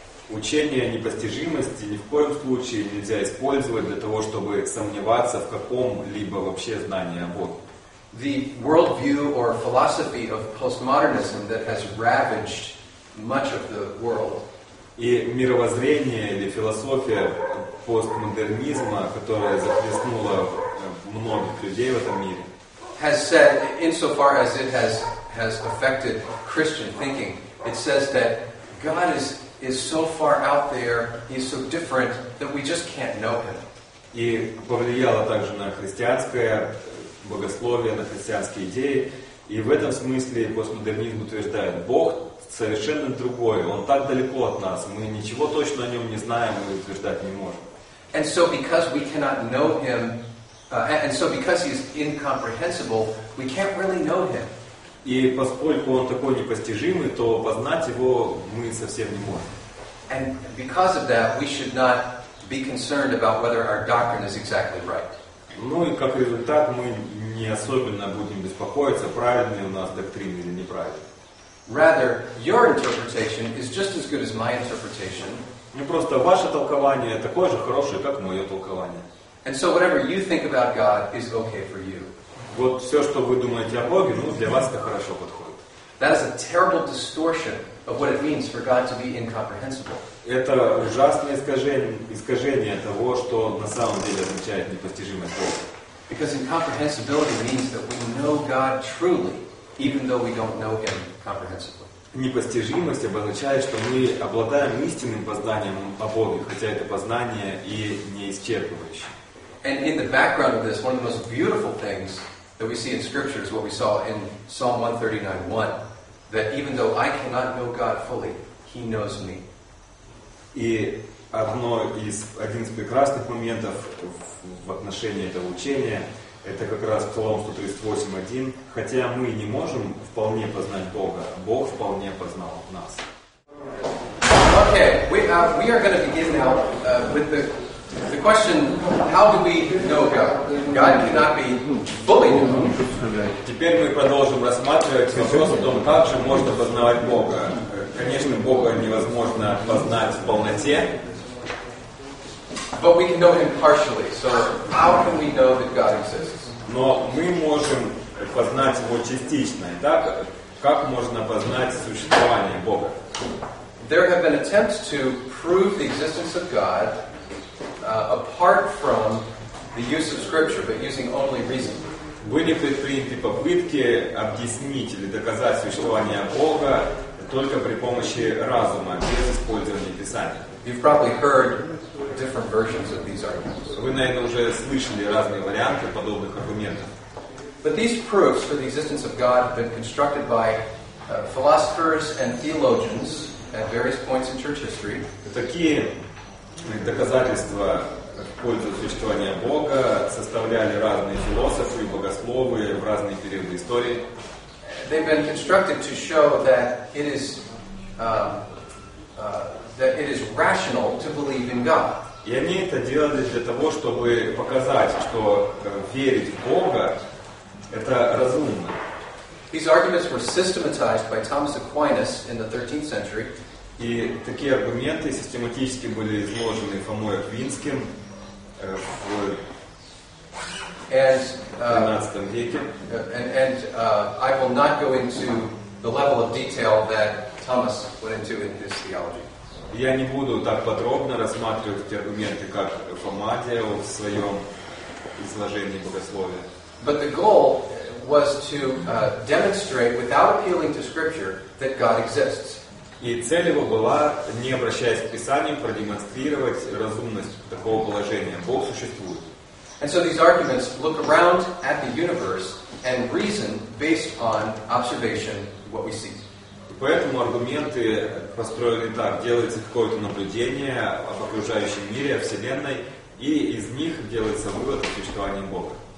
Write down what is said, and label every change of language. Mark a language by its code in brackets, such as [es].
[ru] Учение о непостижимости ни в коем случае нельзя использовать для того, чтобы сомневаться в каком-либо вообще знании о Боге. [en] The worldview or philosophy of postmodernism that has ravaged much of the world. [ru] И мировоззрение или философия постмодернизма, которая захлестнула многих людей в этом мире, [en] has said, insofar as it has affected Christian thinking, it says that God is so far out there, He's so different, that we just can't know Him. [ru] И повлияло также на христианское богословие, на христианские идеи. И в этом смысле постмодернизм утверждает, Бог совершенно другой, Он так далеко от нас, мы ничего точно о Нем не знаем и утверждать не можем. [en] And so because we cannot know Him, and so because He is incomprehensible, we can't really know Him. [ru] И поскольку Он такой непостижимый, то познать Его мы совсем не можем. [en] And because of that, we should not be concerned about whether our doctrine is exactly right. [ru] Ну и как результат, мы не особенно будем беспокоиться, правильная у нас доктрина или неправильная. [en] Rather, your interpretation is just as good as my interpretation. [ru] Ну просто ваше толкование такое же хорошее, как мое толкование. [en] And so whatever you think about God is okay for you. [ru] Вот все, что вы думаете о Боге, ну, для вас это хорошо подходит. [en] That is a terrible distortion of what it means for God to be incomprehensible. [ru] Это ужасное искажение того, что на самом деле означает непостижимость Бога. [en] Because incomprehensibility means that we know God truly, even though we don't know Him comprehensibly. [ru] Непостижимость обозначает, что мы обладаем истинным познанием о Боге, хотя это познание и не исчерпывающее. [en] And in the background of this, one of the most beautiful things that we see in Scripture is what we saw in Psalm 139:1, that even though I cannot know God fully, He knows me. [ru] И один из прекрасных моментов в отношении этого учения, это как раз Псалом 138:1, хотя мы не можем вполне познать Бога, Бог вполне познал нас. [en] Okay, we are going to begin now with the question, how do we know God? God cannot be fully known. [ru] Теперь мы продолжим рассматривать вопрос о том, как же можно познавать Бога. Конечно, Бога невозможно познать в полноте. [en] But we can know Him partially. So how can we know that God exists? [ru] Но мы можем познать Его частично. Итак, как можно познать существование Бога? [en] There have been attempts to prove the existence of God. apart from the use of scripture, but using only reason. [ru] Вынято, в принципе, попытки объяснить или доказать существование Бога только при помощи разума, без использования Писания. [en] You've probably heard different versions of these arguments. [ru] Вы, наверное, уже слышали разные варианты подобных аргументов. [en] But these proofs for the existence of God have been constructed by philosophers and theologians at various points in church history. [ru] Такие доказательства в пользу существования Бога составляли разные философы и богословы в разные периоды истории. [en] They've been constructed to show that it is rational to believe in God. [ru] И они это делали для того, чтобы показать, что верить в Бога это разумно. [en] These arguments were systematized by Thomas Aquinas in the 13th century. [ru] И такие аргументы систематически были изложены Фомой Аквинским в 13 веке. [en] I will not go into the level of detail that Thomas went into in his theology. [ru] Я не буду так подробно рассматривать эти аргументы, как Фома делал в своем изложении богословия. [en] But the goal was to demonstrate, without appealing to Scripture, that God exists. [ru] И цель его была, не обращаясь к Писаниям, продемонстрировать разумность такого положения. Бог существует. [en] And so these arguments look around at the universe and reason based on observation what we see. [ru] Поэтому аргументы построены так. Делается какое-то наблюдение об окружающем мире, о Вселенной, и из них делается вывод о существовании Бога.